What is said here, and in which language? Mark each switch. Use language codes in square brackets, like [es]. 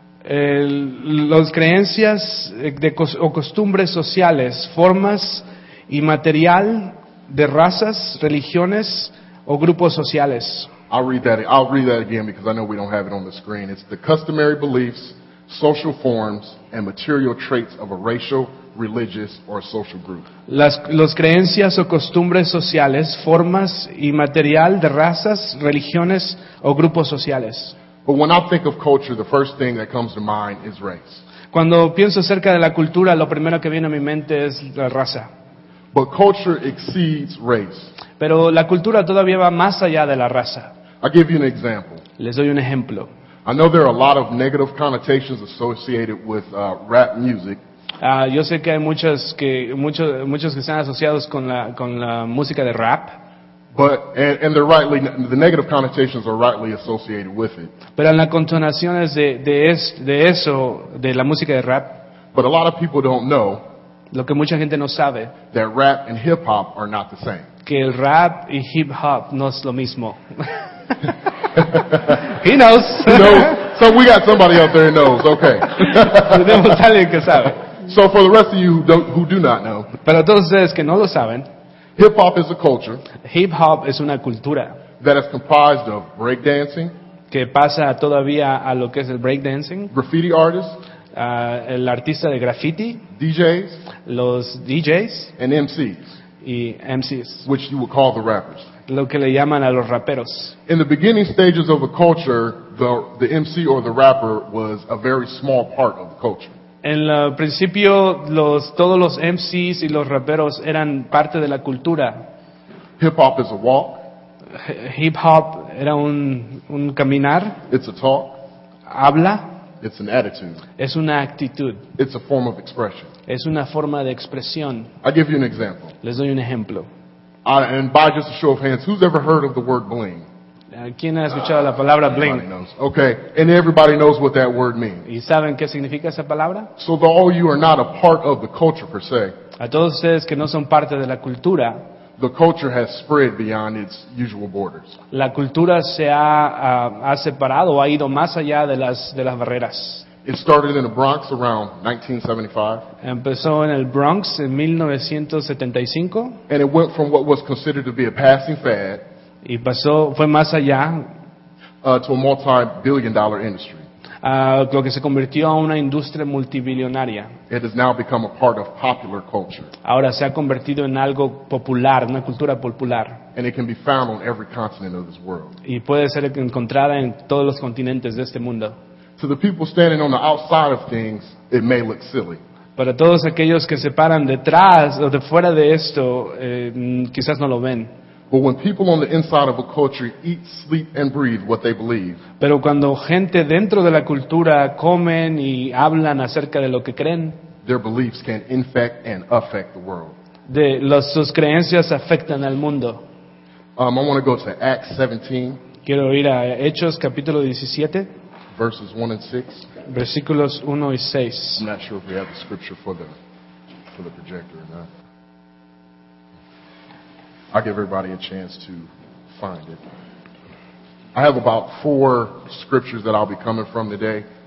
[es] Los creencias o costumbres sociales, formas y material de razas, religiones o grupos sociales. [en] I'll read that again because I know we don't have it on the screen. It's the customary beliefs, social forms, and material traits of a racial, religious, or social group. [es] Las creencias o costumbres sociales, formas y material de razas, religiones o grupos sociales. [en] But when I think of culture, the first thing that comes to mind is race. [es] Cuando pienso acerca de la cultura, lo primero que viene a mi mente es la raza. [en] But culture exceeds race. [es] Pero la cultura todavía va más allá de la raza. [en] I'll give you an example. [es] Les doy un ejemplo. [en] I know there are a lot of negative connotations associated with rap music. [es] Yo sé que hay muchos que están asociados con la música de rap. [en] But and they're rightly, the negative connotations are rightly associated with it. [es] Pero en las connotaciones de eso de la música de rap. [en] But a lot of people don't know. [es] Lo que mucha gente no sabe. [en] That rap and hip hop are not the same. [es] Que el rap y hip hop no es lo mismo. [en] He knows. He knows. So we got somebody out there who knows. Okay. [es] Tenemos alguien que sabe. [en] So for the rest of you who do not know. [es] Para todos ustedes que no lo saben. [en] Hip hop is a culture. [es] Hip hop es una cultura. [en] That is comprised of breakdancing. [es] Que pasa todavía a lo que es el breakdancing. [en] Graffiti artists. [es] El artista de graffiti. [en] DJs. [es] Los DJs. [en] And MCs. [es] Y MCs. [en] Which you would call the rappers. [es] Lo que le llaman a los raperos. [en] In the beginning stages of a culture, the MC or the rapper was a very small part of the culture. [es] En el principio, todos los MCs y los raperos eran parte de la cultura. [en] Hip-hop is a walk. [es] Hip-hop era un caminar. [en] It's a talk. [es] Habla. [en] It's an attitude. [es] Es una actitud. [en] It's a form of expression. [es] Es una forma de expresión. [en] I'll give you an example. [es] Les doy un ejemplo. [en] And by just a show of hands, who's ever heard of the word bling? [es] ¿Quién ha escuchado la palabra bling? [en] Everybody knows. Okay, and everybody knows what that word means. [es] ¿Y saben qué significa esa palabra? [en] So though you are not a part of the culture per se. [es] A todos ustedes que no son parte de la cultura. [en] The culture has spread beyond its usual borders. [es] La cultura se ha separado, ha ido más allá de las barreras. [en] It started in the Bronx around 1975. [es] Empezó en el Bronx en 1975. [en] And it went from what was considered to be a passing fad. [es] Y pasó, fue más allá [en] to a multi-billion dollar industry. [es] Lo que se convirtió a una industria multibillonaria. [en] It has now become a part of popular culture. [es] Ahora se ha convertido en algo popular, una cultura popular. [en] And it can be found on every continent of this world. [es] Y puede ser encontrada en todos los continentes de este mundo. [en] To the people standing on the outside of things, it may look silly. [es] Para todos aquellos que se paran detrás o de fuera de esto, quizás no lo ven. [en] But when people on the inside of a culture eat, sleep, and breathe what they believe. [es] Pero cuando gente dentro de la cultura comen y hablan acerca de lo que creen. [en] Their beliefs can infect and affect the world. [es] Sus creencias afectan al mundo. [en] I want to go to Acts 17. [es] Quiero ir a Hechos capítulo 17. [en] Verses 1 and 6. [es] Versículos 1 y 6. [en] I'm not sure if we have the scripture for the projector or not. I'll give everybody a chance to find it. I have about 4 scriptures that I'll be coming from today.